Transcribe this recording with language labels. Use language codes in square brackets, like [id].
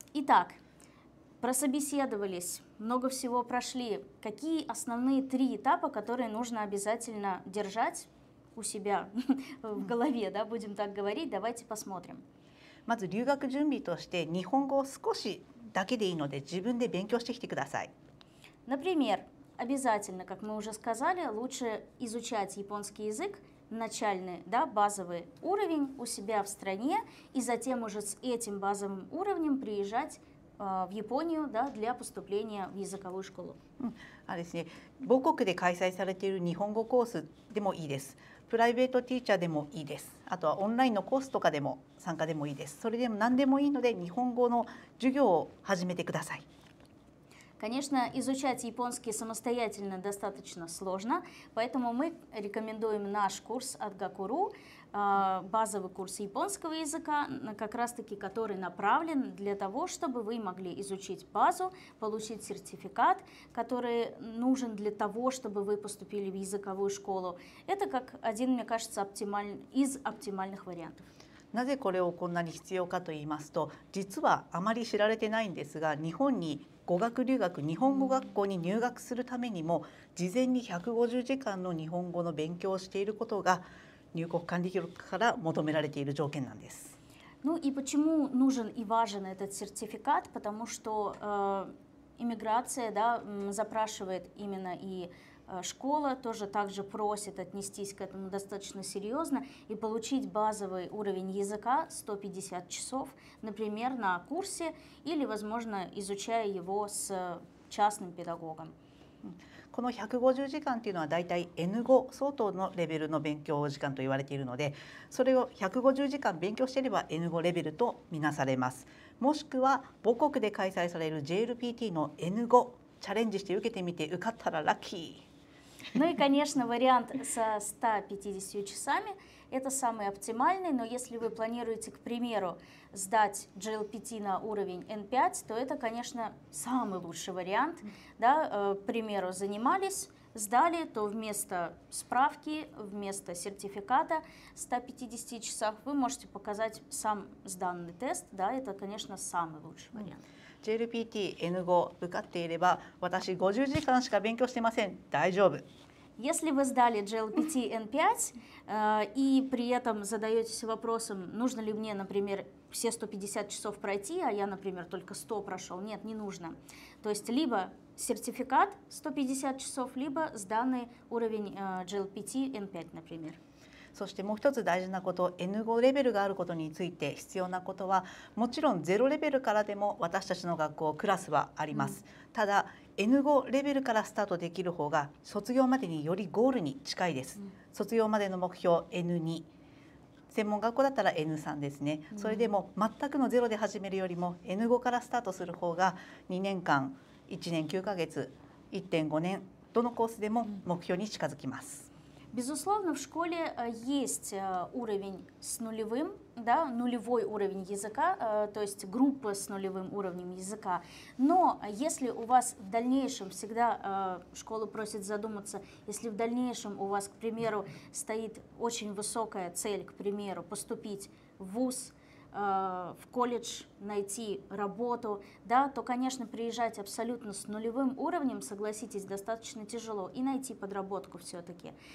[ru] Итак, прособеседовались, много всего прошли. Какие основные три этапа, которые нужно обязательно держать у себя в голове, да, будем так говорить, давайте посмотрим. [ja] まず留学準備として日本語を少しだけでいいので自分で勉強してきてください。 [ru] Например, обязательно, как мы уже сказали, лучше изучать японский язык, начальный, да, базовый уровень у себя в стране, и затем уже с этим базовым уровнем приезжать в Японию, да, для поступления в языковую школу. [ja] А ですね、母国で開催されている日本語コースでもいいです。プライベートティーチャーでもいいです。あとはオンラインのコースとかでも参加でもいいです。それでも何でもいいので日本語の授業を始めてください。 [ru] Конечно, изучать японский самостоятельно достаточно сложно, поэтому мы рекомендуем наш курс от Гакуру, базовый курс японского языка, как раз-таки который направлен для того, чтобы вы могли изучить базу, получить сертификат, который нужен для того, чтобы вы поступили в языковую школу. Это как один, мне кажется, из оптимальных вариантов. [ja] なぜこれをこんなに必要かと言いますと、実はあまり知られてないんですが、日本に語学留学、日本語学校に入学するためにも、事前に150時間の日本語の勉強をしていることが入国管理局から求められている条件なんです。 [ru] Ну и почему нужен и важен этот сертификат? Потому что иммиграция, да, запрашивает именно и школа тоже также просит отнестись к этому достаточно серьезно и получить базовый уровень языка 150 часов, например, на курсе или, возможно, изучая его с частным педагогом. [ja] この150時間というのはだいたい N5 相当のレベルの勉強時間と言われているので、それを150時間勉強していれば N5 レベルとみなされます。もしくは母国で開催される JLPT の N5 チャレンジして受けてみて受かったらラッキー。 [ru] Ну и, конечно, вариант со 150 часами – это самый оптимальный, но если вы планируете, к примеру, сдать JLPT на уровень N5, то это, конечно, самый лучший вариант. Да, к примеру, занимались, сдали, то вместо справки, вместо сертификата 150 часах вы можете показать сам сданный тест. Да, это, конечно, самый лучший вариант. [ja] JLPT N5 受かっていれば、私50時間しか勉強してません。大丈夫。 [ru] Если вы сдали JLPT N5 и при этом задаетесь вопросом, нужно ли мне, например, все 150 часов пройти, а я, например, только 100 прошел, нет, не нужно. То есть либо сертификат 150 часов, либо сданный уровень JLPT N5, например. [ja] そしてもう一つ大事なこと、N5 レベルがあることについて必要なことは、もちろん0レベルからでも私たちの学校クラスはあります。ただ、N5 レベルからスタートできる方が卒業までによりゴールに近いです。卒業までの目標 N2、専門学校だったら N3 ですね。それでも全くの0で始めるよりも N5 からスタートする方が2年間、1年9ヶ月、1.5 年、どのコースでも目標に近づきます。 [ru] Безусловно, в школе есть уровень с нулевым, да, нулевой уровень языка, то есть группа с нулевым уровнем языка. Но если у вас в дальнейшем, всегда школа просит задуматься, если в дальнейшем у вас, к примеру, стоит очень высокая цель, к примеру, поступить в вуз, в колледж, найти работу, да, то, конечно, приезжать абсолютно с нулевым уровнем, согласитесь, достаточно тяжело и найти подработку все-таки,